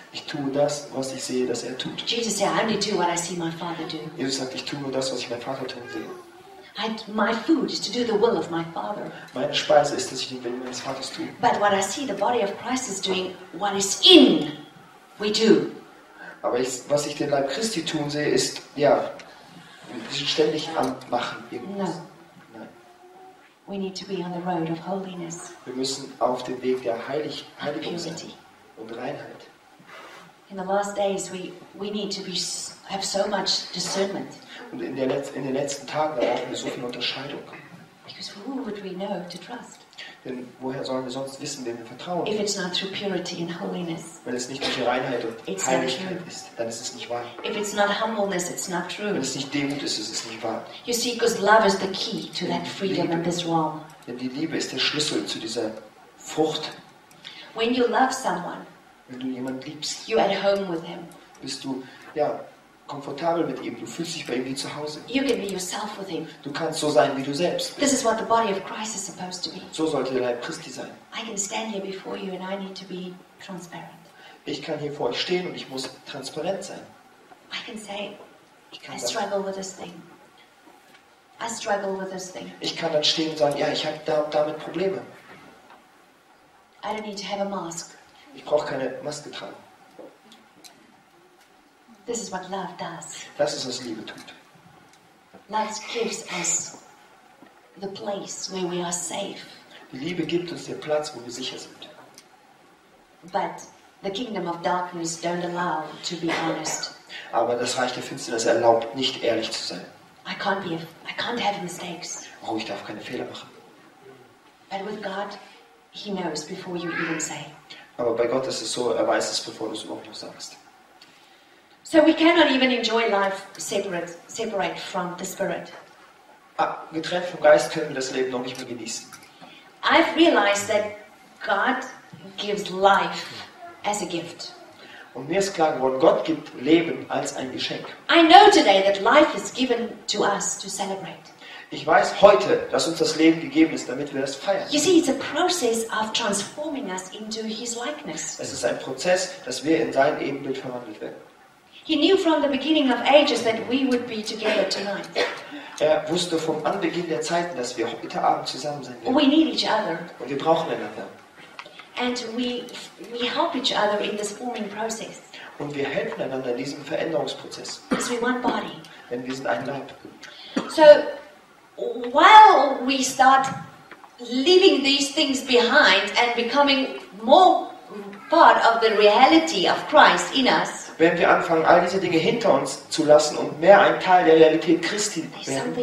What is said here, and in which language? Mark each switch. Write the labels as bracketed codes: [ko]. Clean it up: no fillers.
[de] Ich tue das, was ich sehe, dass er tut. [en] Jesus said, I only do what I see my Father do. [de] Jesus sagt, ich tue nur das, was ich meinen Vater tun sehe. [en] My food is to do the will of my Father. [de] Meine Speise ist, dass ich den Willen meines Vaters tue. [en] But what I see the body of Christ is doing, what is in, we do. [de] Aber was ich den Leib Christi tun sehe, ist, ja, ständig am Machen. [en] No. [de] Nein. [en] We need to be on the road of holiness. [de] Wir müssen auf dem Weg der Heiligung sein und Reinheit. [en] In the last days we need to be, have so much discernment. [de] Und in den letzten Tagen brauchen wir so viel Unterscheidung. [en] Because who would we know to trust? [de] Denn woher sollen wir sonst wissen, wem wir vertrauen? [en] If it's not through purity and holiness, [de] wenn es nicht durch Reinheit und Heiligkeit ist, dann ist es nicht wahr. [en] If it's not humbleness, it's not true. [de] Wenn es nicht Demut ist, ist es nicht wahr. [en] You see, because love is the key to that freedom in this realm. [de] Denn die Liebe ist der Schlüssel zu dieser Frucht. [en] When you love someone, [de] wenn du jemanden liebst, [en] you're at home with him. [de] Bist du ja komfortabel mit ihm, du fühlst dich bei ihm wie zu Hause. [en] You can be yourself with him. [de] Du kannst so sein, wie du selbst. [en] This is what the body of Christ is supposed to be. [de] So sollte der Leib Christi sein. [en] I can stand here before you and I need to be transparent. [de] Ich kann hier vor euch stehen und ich muss transparent sein. [en] I can say, I struggle with this thing. I struggle with this thing. [de] Ich kann dann stehen und sagen, ja, ich habe damit Probleme. [en] I don't need to have a mask. [de] Ich brauche keine Maske tragen. [en] This is what love does. [de] Das ist, was Liebe tut. [en] Love gives us the place where we are safe. [de] Die Liebe gibt uns den Platz, wo wir sicher sind. [en] But the kingdom of darkness don't allow to be honest. [de] Aber das Reich der Finsternis erlaubt nicht, ehrlich zu sein. [en] I can't have mistakes. [de] Oh, ich darf keine Fehler machen. [en] But with God, he knows before you even say. [de] Aber bei Gott ist es so, er weiß es, bevor du es überhaupt noch sagst. [en] So we cannot even enjoy life separate from the Spirit. [de] Getrennt vom Geist können wir das Leben noch nicht mehr genießen. [en] I've realized that God gives life as a gift. [de] Und mir ist klar geworden, Gott gibt Leben als ein Geschenk. [en] I know today that life is given to us to celebrate. [de] Ich weiß heute, dass uns das Leben gegeben ist, damit wir das feiern. [en] You see, it's a process of transforming us into his likeness. [de] Es ist ein Prozess, dass wir in sein Ebenbild verwandelt werden. [en] He knew from the beginning of ages that we would be together tonight. [de] Er wusste vom Anbeginn der Zeiten, dass wir heute Abend zusammen sein werden. [en] We need each other. [de] Und wir brauchen einander. [en] And we help each other in this forming process. [de] Und wir helfen einander in diesem Veränderungsprozess. [en] Because we're one body. [de] Denn wir sind ein Leib. [en] So while we start leaving these things behind and becoming more part of the reality of Christ in us, [de] wenn wir anfangen, all diese Dinge hinter uns zu lassen und mehr ein Teil der Realität Christi werden,